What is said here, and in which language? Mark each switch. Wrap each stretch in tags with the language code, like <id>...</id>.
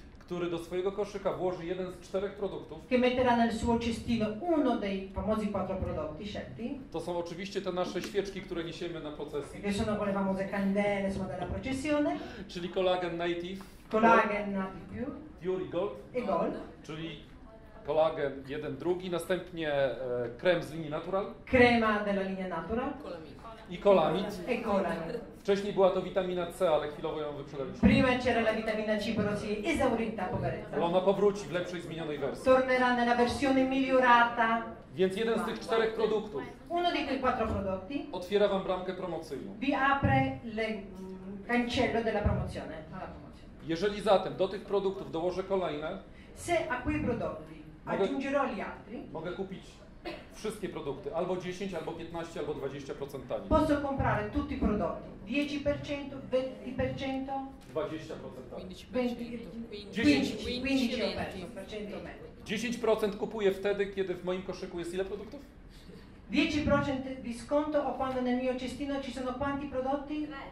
<pl>Który do swojego koszyka włoży jeden z czterech produktów.</pl> <it>Che metterà nel suo cestino uno dei famosi quattro prodotti scelti.</it> <pl>To są oczywiście te nasze świeczki, które niesiemy na procesji.</pl> <it>Che sono quelle famose candele, sono della processione.</it> <pl>Czyli Collagen Native. Collagen Native. Pure Gold.</pl> <it>E Gold.</it> <pl>Czyli kolagen jeden, drugi, następnie krem z linii Natural.</pl> <it>Crema della linea Natural.</it> <pl>I kolamid.</pl> <it>E kolamid.</it> <pl>Wcześniej była to witamina C, ale chwilowo ją wyprzedaliśmy.</pl> <it>Prima c'era la vitamina C, però si è esaurita, poveretta.</it> <pl>Ona powróci w lepszej, zmienionej wersji.</pl> <it>Tornerà nella versione migliorata.</it> <pl>Więc jeden z tych czterech produktów.</pl> <it>Uno di quei quattro prodotti.</it> <pl>Otwiera wam bramkę promocyjną.</pl> <it>Vi apre il cancello della promozione.</it> <pl>Jeżeli zatem do tych produktów dołożę kolejne,</pl> <it>se a quei prodotti aggiungerò gli altri,</it> <pl>mogę kupić wszystkie produkty, albo 10, albo 15, albo 20% taniej.</pl> <it>Posso comprare tutti i prodotti, 10%, 20%, 20%</it> <pl>taniej.</pl> <it>15% meno.</it> <pl>10% kupuję wtedy, kiedy w moim koszyku jest ile produktów?</pl> <it>10% di sconto o quando nel mio cestino ci sono quanti prodotti?</it>